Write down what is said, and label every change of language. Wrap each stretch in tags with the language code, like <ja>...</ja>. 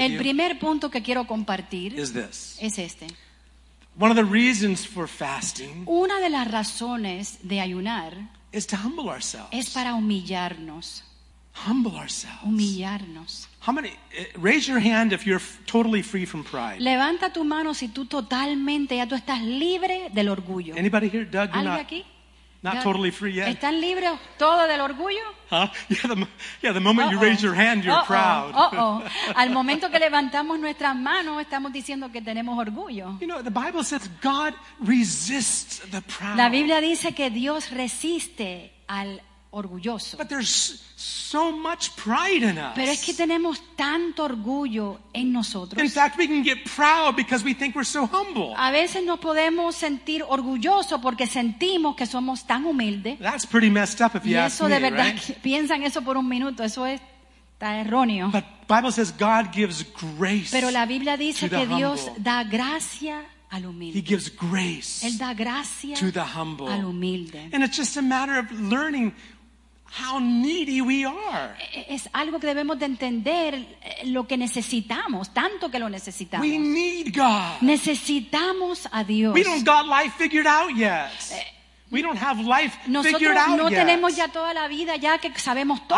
<es>el primer punto que quiero compartir</es> <en>is this.</en> <es>Es este.</es> <en>One of the reasons for fasting</en> <es>una de las razones de ayunar</es> <en>is to humble ourselves.</en> <es>Es para humillarnos.</es> <en>Humble ourselves.</en> <es>Humillarnos.</es> <en>How many? Raise your hand if you're totally free from pride.</en> <es>Levanta tu mano si tú totalmente ya tú estás libre del orgullo.</es> <en>Anybody here, Doug?</en> <es>¿Alguien</es> <en>not,</en> <es>aquí?</es> <en>Not God. Totally free yet.</en> <es>¿Están libres todo del orgullo?</es> <en>Huh? Yeah, the moment uh-oh. You raise your hand, you're uh-oh. Proud. Uh-oh.</en> <es>Al momento que levantamos nuestras manos, estamos diciendo que tenemos orgullo.</es> <en>You know, the Bible says God resists the proud.</en> <es>La Biblia dice que Dios resiste al orgulloso.</es> <en>But there's so much pride in us.</en> <es>Pero es que tenemos tanto orgullo en nosotros.</es> <en>In fact, we can get proud because we think we're so humble.</en> <es>A veces nos podemos sentir orgulloso porque sentimos que somos tan humildes.</es> <en>That's pretty messed up if you ask me, right?</en> <es>Y eso de verdad, piensan eso por un minuto, eso es erróneo.</es> <en>But the Bible says God gives grace.</en> <es>Pero la Biblia dice que Dios da gracia.</es> <en>He gives grace</en> <es>él da gracia</es> <en>to the humble.</en> <es>Al humilde.</es> <en>And it's just a matter of learning how needy we are.</en> <es>Es algo que debemos de entender lo que necesitamos, tanto que lo necesitamos.</es> <en>We need God.</en> <es>Necesitamos a Dios.</es> <en>We don't got life figured out yet. We don't have life</en> <es>nosotros</es> <en>figured out</en> <es>no</es> <en>yet.</en> <es>Nosotros no tenemos ya toda la vida ya que sabemos todo.</es>